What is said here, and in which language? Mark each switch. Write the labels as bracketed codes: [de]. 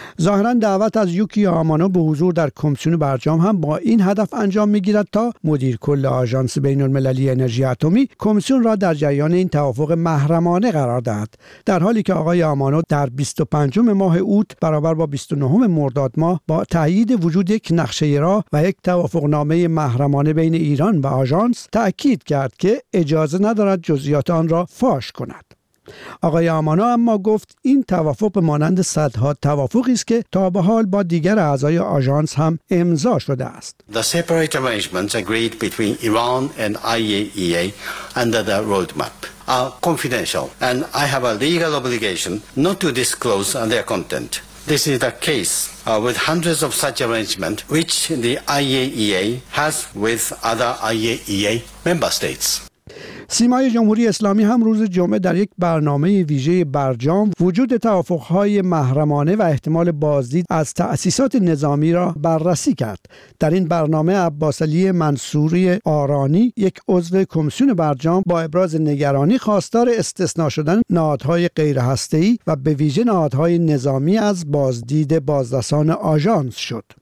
[fa] ظاهراً دعوت از یوکیو آمانو به حضور در کمیسیون برجام هم با این هدف انجام می‌گیرد تا مدیر کل آژانس بین‌المللی انرژی اتمی کمیسیون را در جریان این توافق محرمانه قرار دهد، در حالی که آقای آمانو در 25 ماه اوت برابر با 29 مرداد ماه با تایید وجود یک نقشه را و یک توافقنامه محرمانه بین ایران و آژانس تأکید کرد که اجازه ندارد جزئیات آن را فاش کند. آقای آمانو اما گفت این توافق مانند صدها توافقی است که تا به حال با دیگر اعضای آژانس هم امضا شده است. [en] The separate arrangements agreed between Iran and IAEA under the roadmap are confidential and I have a legal obligation not to disclose their content. This is the case with hundreds of such arrangements which the IAEA has with other IAEA member states. [fa] سیمای جمهوری اسلامی هم روز جمعه در یک برنامه ویژه برجام وجود توافق‌های محرمانه و احتمال بازدید از تأسیسات نظامی را بررسی کرد. در این برنامه عباس علی منصوری آرانی یک عضو کمیسیون برجام با ابراز نگرانی خواستار استثناء شدن نهادهای غیرهسته‌ای و به ویژه نهادهای نظامی از بازدید بازرسان آژانس شد.